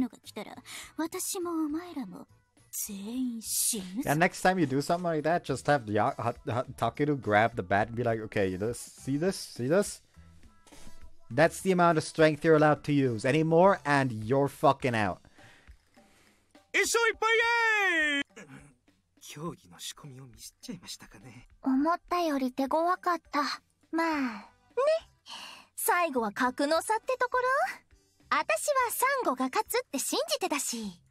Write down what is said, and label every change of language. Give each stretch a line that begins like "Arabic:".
Japanese: スイカどころか、バットが跡形もなく消し飛んじゃったみたいなので。はーい、どうしすずかザーコ。目隠しとったから反則負け。それでいいです。ちょっとグレンデル様、向こう勝たしちゃっていいんですか。もう一回やらせる気か。言っとくが、さっき全力で障壁を張ってやってあれだからな。次もし同じのが来たら、私もお前らも。
English: Yeah, next time you do something like that, just have Takeru grab the bat and be like, okay, you see this? That's the amount of strength you're allowed to use. Any more, and you're fucking out.
Japanese: いっしょいっぱいやーい。競技の仕込みを見せちゃいましたかね。思ったより手強かった。まあ、ね。最後は格の差ってところ。私はサンゴが勝つって信じてたし。